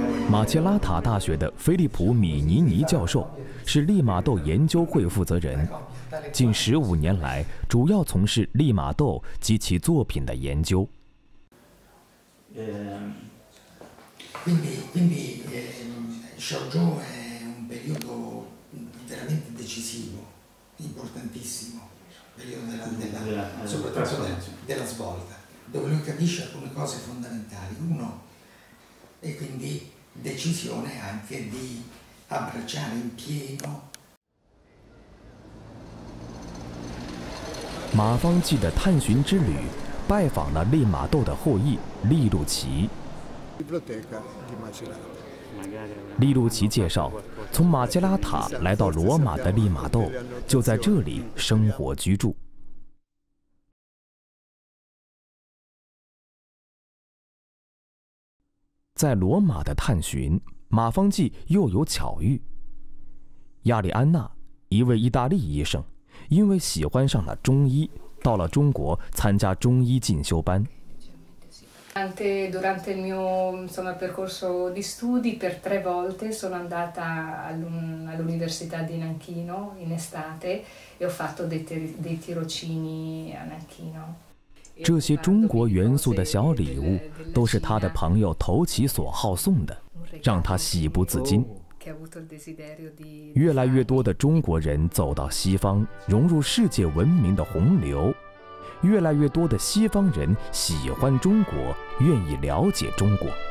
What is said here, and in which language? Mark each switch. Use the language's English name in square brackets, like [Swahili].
[Chinese] 马切拉塔大学的菲利普·米尼尼教授是利玛窦研究会负责人，近15年来主要从事利玛窦及其作品的研究。 [Italian] quindi Shaoguan è un periodo veramente decisivo, importantissimo, periodo della soprattutto della svolta, dove lui capisce alcune cose fondamentali. Uno e quindi decisione anche di abbracciare in pieno。 [Chinese] 马方济的探寻之旅拜访了利玛窦的后裔利禄齐。利禄齐介绍，从马切拉塔来到罗马的利玛窦就在这里生活居住。在罗马的探寻，马方济又有巧遇。亚里安娜，一位意大利医生，因为喜欢上了中医，到了中国参加中医进修班。 [Italian] durante il mio insomma percorso di studi per tre volte sono andata all'università di Nanchino in estate e ho fatto dei tirocini a Nanchino。 [Chinese] 这些中国元素的小礼物都是他的朋友投其所好送的，让他喜不自禁。越来越多的中国人走到西方，融入世界文明的洪流，越来越多的西方人喜欢中国，愿意了解中国。